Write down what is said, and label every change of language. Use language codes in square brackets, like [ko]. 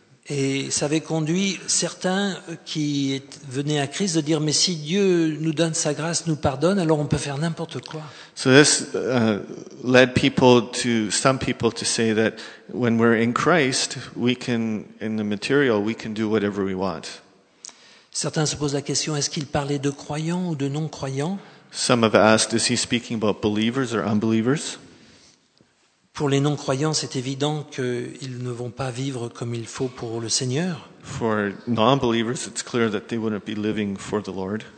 [fr] Et ça avait conduit certains qui venaient à Christ de dire, mais si Dieu nous donne sa grâce, nous pardonne, alors on peut faire n'importe quoi. [en] So this led some people to say that when we're in Christ, we can in the material we can do whatever we want. [fr] Certains se posent la question, est-ce qu'il parlait de croyants ou de non-croyants? [en] Some have asked, is he speaking about believers or unbelievers? [fr] Pour les non-croyants, c'est évident qu'ils ne vont pas vivre comme il faut pour le Seigneur. [en] For non-believers, it's clear that they wouldn't be living for the Lord.